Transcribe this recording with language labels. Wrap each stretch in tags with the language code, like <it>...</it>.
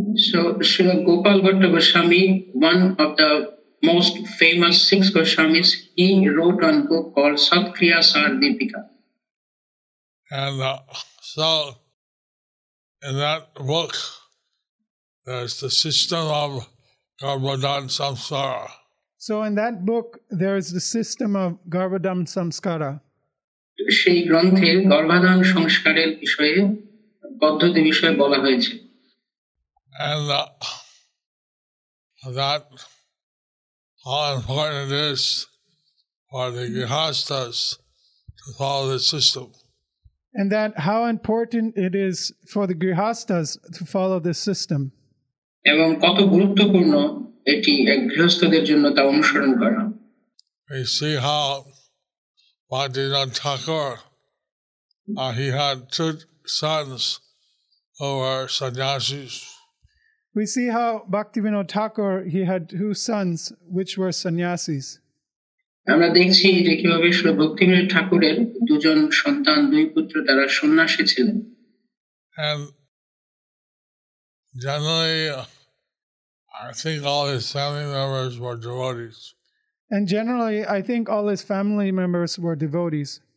<en>So Srila Gopal Bhatta Goswami, one of the most famous six Goswamis, he wrote a book called Sat Kriya Sar Deepika. And so in that book there's the system of Garbhadhan Samskara. So in that book there is the system of Garbhadhan Samskara.</en> <bn>সেই গ্রন্থে গর্ভধারণ সংস্কারের বিষয়ে পদ্ধতি বিষয়ে বলা হয়েছে।</bn> <en>And that how important it is for the grihasthas to follow the system. And that how important it is for the grihasthas to follow the system.</en> <bn>এবং কত গুরুত্বপূর্ণ এটি এক গৃহস্থদের জন্য তা অনুসরণ করা।</bn> <en>We see how Bhaktivinoda Thakur, he had two sons who were sannyasis. We see how Bhaktivinoda Thakur, he had two sons which were sannyasis.</en> <bn>আমরা দেখছি যে কিভাবে শ্রী ভক্তিবিনোদ ঠাকুরের দুজন সন্তান, দুই পুত্র তারা সন্ন্যাসী ছিলেন।</bn> <en>And generally, I think all his family members were devotees. And generally, I think all his family members were devotees.</en>